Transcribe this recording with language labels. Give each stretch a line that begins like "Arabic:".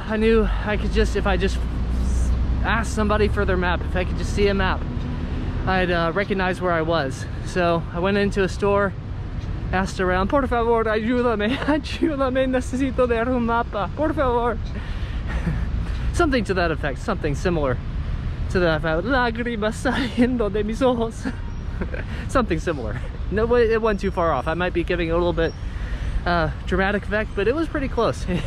English: I knew I could just, if I just asked somebody for their map, if I could just see a map, I'd recognize where I was. So I went into a store, asked around,
Spanish: por favor, ayúdame, ayúdame, necesito ver un mapa, por favor.
English: Something to that effect, something similar to that effect.
Spanish: Lágrimas saliendo de mis ojos.
English: Something similar. No, it wasn't too far off. I might be giving a little bit dramatic effect, but it was pretty close.